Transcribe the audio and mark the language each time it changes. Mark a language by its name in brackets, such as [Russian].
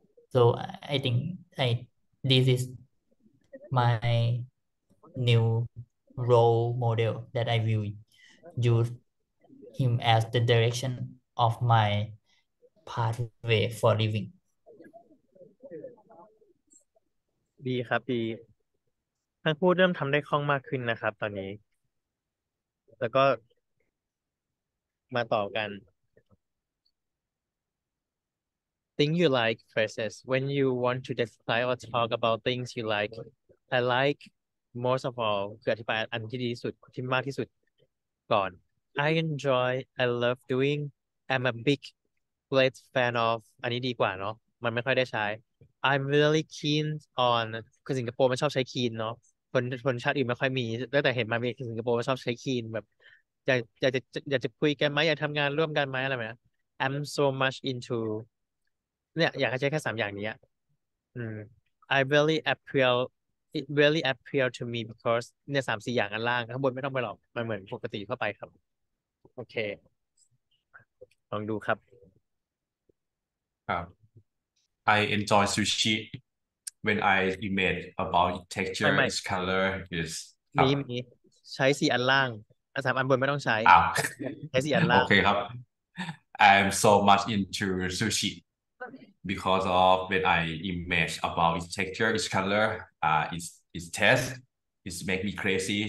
[English] So I think this is my new. Role model that I will use him as the direction of my pathway for living. [Thai] ดีครับดีทั้งพูดเริ่มทำได้คล่องมากขึ้นนะครับตอนนี้แล้วก็มาต่อกัน [English] Things you like versus when you want to describe or talk about things you like I likeMost of all, [Thai] คืออธิบายอันที่ดีที่สุดที่มากที่สุด ก่อน [English] I enjoy, I love doing, I'm a big, great fan of [Thai] อันนี้ดีกว่าเนาะมันไม่ค่อยได้ใช้ [English] I'm really keen on [Thai] คือสิงคโปร์มันชอบใช้ keen เนาะคนชาติอื่นไม่ค่อยมีตั้งแต่เห็นมาเมื่อสิงคโปร์มันชอบใช้ keen แบบอยากจะคุยกันไหมอยากทำงานร่วมกันไหมอะไรแบบนี้ [English] I'm so much into [Thai] เนี่ยอยากให้ใช้แค่สามอย่างนี้อืม [English] I really appreciate it really appeal to me because [Thai] เนี่ยสามสี่อย่างอันล่างข้างบนไม่ต้องไปหรอกมันเหมือนปกติเข้าไปครับโอเคลองดูครับ [English] I enjoy sushi when I imagine about its texture, [Thai] ไม่ [English] its color, its [Thai] มีใช้สี่อันล่างอันสามอันบนไม่ต้องใช้ใช้สี่อันล โอ่าง เคครับ [English] I am so much into sushi because of when I imagine about its texture, its color, its taste, it make me crazy.